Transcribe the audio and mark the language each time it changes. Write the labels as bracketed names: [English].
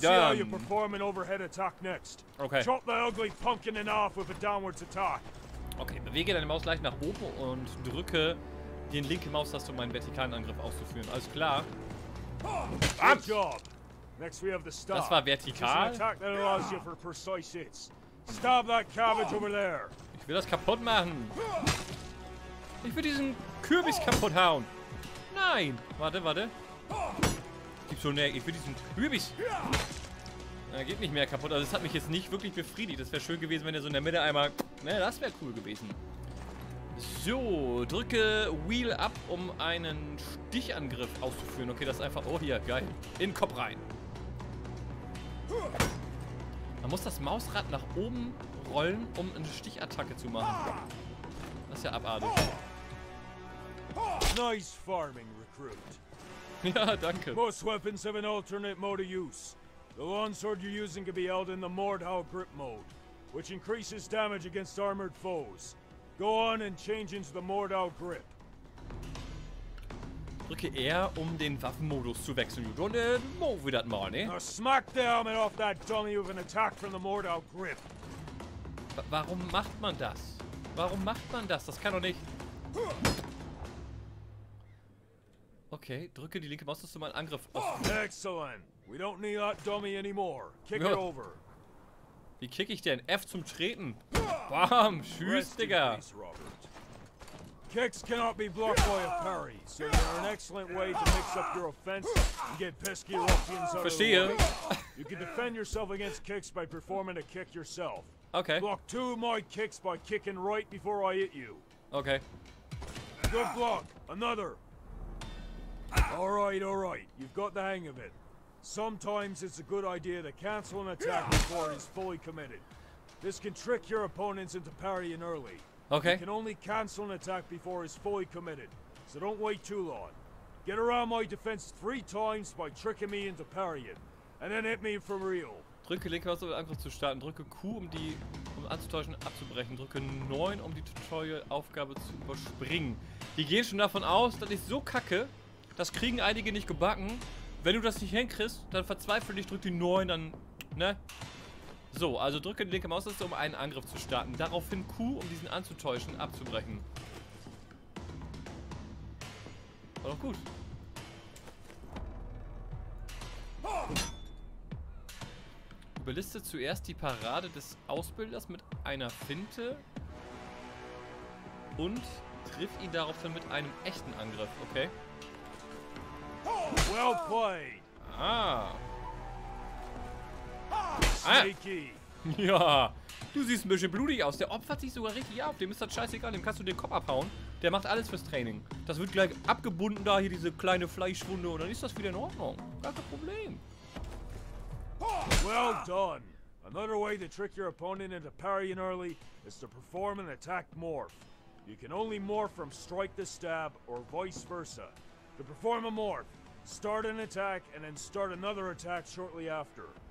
[English] See how you perform an overhead attack next. Okay. Chop the ugly punk in and off with a downwards attack. [German] Okay, bewege deine Maus leicht nach oben und drücke den linken Maustaste, um einen vertikalen Angriff auszuführen. Alles klar. [English] Good job. Next we have the stab. [German] Das war vertikal. [English] It's an attack that allows you for precise hits. Stab that cabbage over there. [German] Ich will das kaputt machen. Ich will diesen Kürbis kaputt hauen. Nein. Warte, warte. Gib schon näher. Ich will diesen Kürbis. Er geht nicht mehr kaputt. Also das hat mich jetzt nicht wirklich befriedigt. Das wäre schön gewesen, wenn er so in der Mitte einmal... Ne, das wäre cool gewesen. So, drücke Wheel Up, um einen Stichangriff auszuführen. Okay, das ist einfach... Oh, hier, geil. In den Kopf rein. Man muss das Mausrad nach oben rollen, um eine Stichattacke zu machen. Das ist ja abartig. [English] Nice farming, Recruit. [German] Ja, danke. [English] Most weapons have an alternate mode of use. The longsword you're using can be held in the Mordhau grip mode, which increases damage against armored foes. Go on and change into the Mordhau grip. [German] Drücke R, um den Waffenmodus zu wechseln. [English] You don't move that man, eh? Now smack the helmet off that dummy with an attack from the Mordhau grip. [German] Warum macht man das? Warum macht man das? Das kann doch nicht. Okay, drücke die linke Maustaste, um einen Angriff. [English] Oh. Excellent. We don't need that dummy anymore. Kick it over. [German] Wie kick ich denn? F zum Treten. Bam, tschüss, Digga. [English] Rest in peace, [German] Robert. [English] Kicks cannot be blocked by a parry, so they're an excellent way to mix up your offense and get pesky ruffians out of the way. You can defend yourself against kicks by performing a kick yourself. Okay. Block two of my kicks by kicking right before I hit you. Okay. Good block. Another. Alright, alright. You've got the hang of it. Sometimes it's a good idea to cancel an attack before it's fully committed. This can trick your opponents into parrying early. Okay. You can only cancel an attack before it's fully committed. So don't wait too long. Get around my defense three times by tricking me into parrying. And then hit me for real. [German] Drücke linke Maustaste, um den Angriff zu starten. Drücke Q, um die anzutäuschen, abzubrechen. Drücke 9, um die Tutorial-Aufgabe zu überspringen. Die gehen schon davon aus, dass ich so kacke. Das kriegen einige nicht gebacken. Wenn du das nicht hinkriegst, dann verzweifle dich, drück die 9, dann, ne? So, also drücke die linke Maustaste, um einen Angriff zu starten. Daraufhin Q, um diesen anzutäuschen, abzubrechen. War doch gut. Überliste zuerst die Parade des Ausbilders mit einer Finte. Und triff ihn daraufhin mit einem echten Angriff, okay? [English] Well played. Sneaky. [German] Ja, du siehst ein bisschen blutig aus. Der opfert sich sogar richtig auf. Dem ist das scheißegal. Dem kannst du den Kopf abhauen. Der macht alles fürs Training. Das wird gleich abgebunden da, hier diese kleine Fleischwunde. Und dann ist das wieder in Ordnung. Gar kein Problem. [English] Well done. Another way to trick your opponent into parrying early is to perform an attack morph. You can only morph from strike to stab or vice versa. To perform a morph, start an attack and then start another attack shortly after.